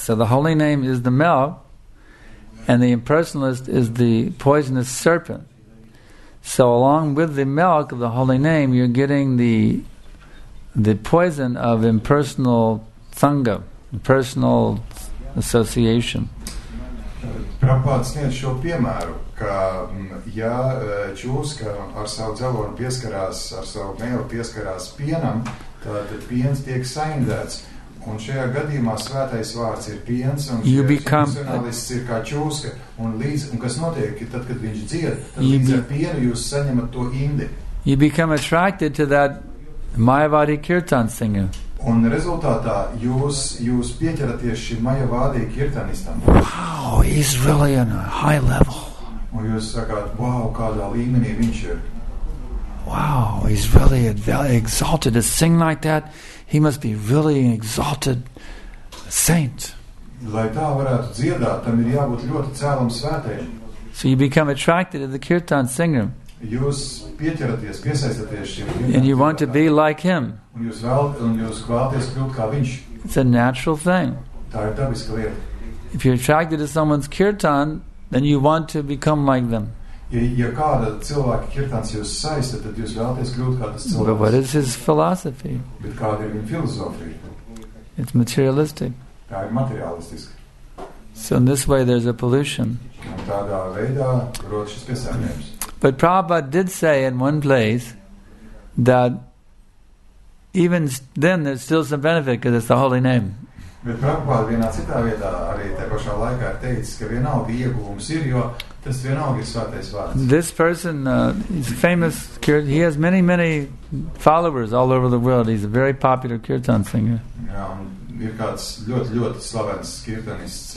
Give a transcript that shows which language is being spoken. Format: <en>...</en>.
<en>So the holy name is the milk, and the impersonalist is the poisonous serpent. So along with the milk of the holy name, you're getting the poison of impersonal sangha, impersonal association.</en> <lv>Prabhupada sniedz šo piemēru, ka ja čūska ar savu dzelonu pieskarās, ar savu mēlu pieskarās pienam, tad piens tiek saindēts. Un šajā gadījumā svētais vārds ir piens, un šajā</lv> <en>become,</en> <lv>personalists ir kā čūska. Un kas notiek, tad, kad viņš dzied, tad līdz ar pienu jūs saņemat to indi.</lv> <en>You become attracted to that Mayavadi kirtan singer.</en> <lv>Un rezultātā jūs pieķeraties šim Mayavadi kirtanistam.</lv> <en>Wow, he's really on a high level.</en> <lv>Un jūs sakāt, wow, kādā līmenī viņš ir.</lv> <en>Wow, he's really exalted to sing like that. He must be really an exalted saint.</en> <lv>Lai tā varētu dziedāt, tam ir jābūt ļoti cēlam svētējam.</lv> <en>So you become attracted to the kirtan singer.</en> <lv>Jūs pieķeraties, piesaistaties šim.</lv> <en>And you want to be like him.</en> <lv>Un jūs vēlaties kļūt kā viņš.</lv> <en>It's a natural thing.</en> <lv>Tā ir dabiska lieta.</lv> <en>If you're attracted to someone's kirtan, then you want to become like them.</en> <lv>Ja kāda cilvēka kirtans jūs saista, tad jūs vēlaties kļūt kā tas cilvēks.</lv> <en>But what is his philosophy?</en> <lv>Bet kāda ir viņa filozofija?</lv> <en>It's materialistic.</en> <lv>Tā ir materialistiska.</lv> <en>So in this way there's a pollution. But Prabhupada did say in one place that even then there's still some benefit because it's the holy name.</en> <lv>Bet Prabhupāda vienā citā vietā arī te pašā laikā ir teicis, ka vienalga ieguvums ir, jo tas vienalga ir svētais vārds.</lv> <en>This person is a famous kirtan. He has many, many followers all over the world. He's a very popular kirtan singer.</en> <lv>Jā, un ir kāds ļoti, ļoti slavens kirtanists.</lv>